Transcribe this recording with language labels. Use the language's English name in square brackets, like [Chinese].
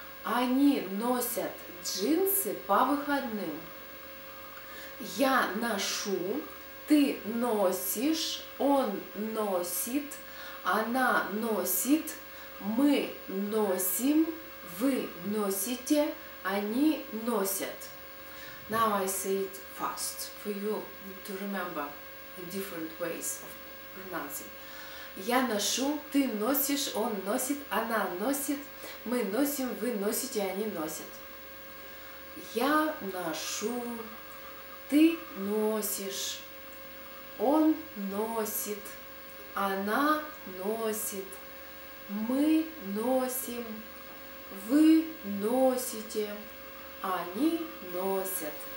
[Russian] Они носят джинсы по выходным. Я ношу, ты носишь, он носит, она носит, мы носим, вы носите, они носят. [English] Now I say it fast for you to remember the different ways of pronouncing. [Russian] Я ношу, ты носишь, он носит, она носит, мы носим, вы носите, они носят. Я ношу, ты носишь, он носит, она носит, мы носим, вы носите, они носят.